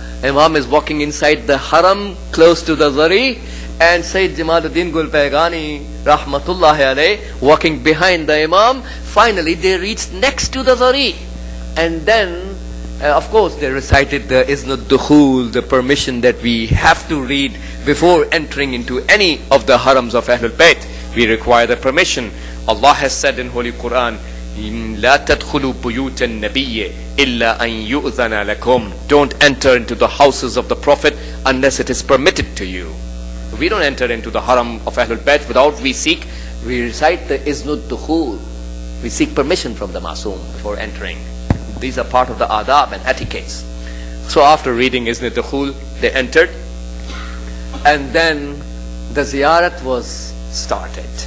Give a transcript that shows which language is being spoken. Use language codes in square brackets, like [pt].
[en] Imam is walking inside the haram close to the zari, and Sayyid Jamaluddin Gulfaghani rahmatullahi alayh walking behind the Imam. Finally they reached next to the zari, and then of course they recited the Iznud Dukhul, the permission that we have to read before entering into any of the harams of Ahlul Bayt. We require the permission. Allah has said in Holy Quran, [ar] لَا تَدْخُلُوا بُيُوتَ النَّبِيِّ إِلَّا أَن يُؤْذَنَ لَكُمْ. [en] Don't enter into the houses of the Prophet unless it is permitted to you. We don't enter into the haram of Ahlul Bayt without we recite the Iznud Dukhul. We seek permission from the Masoom before entering. These are part of the adab and etiquettes. So after reading Iznud Dukhul, they entered. And then the ziyarat was started.